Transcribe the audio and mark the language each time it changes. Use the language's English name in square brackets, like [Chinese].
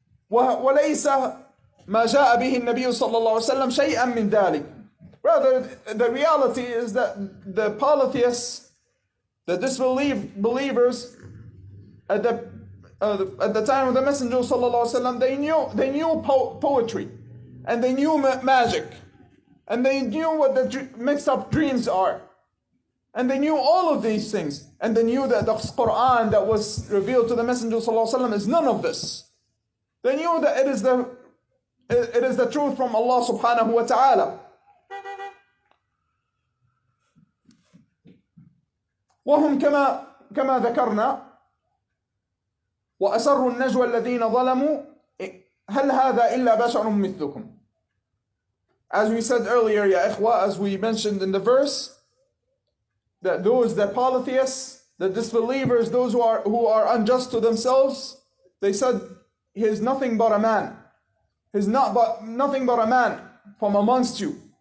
[Arabic] وليس ما جاء به النبي صلى الله عليه وسلم شيئا من ذلك. [English] Rather, the reality is that the polytheists, the disbelievers, at the time of the Messenger صلى الله عليه وسلم, they knew poetry, and they knew magic, and they knew what the mixed up dreams are. And they knew all of these things, and they knew that the Quran that was revealed to the Messenger صلى الله عليه وسلم is none of this. They knew that it is the truth from Allah subhanahu wa ta'ala. [Arabic] وهم كما ذكرنا وأسروا النجوى الذين ظلموا هل هذا إلا بشر مثلكم. [English] As we said earlier, [Arabic] يا إخوة, [English] as we mentioned in the verse, that those, the polytheists, the disbelievers, those who are unjust to themselves, they said, he is nothing but a man. He is not but nothing but a man from amongst you.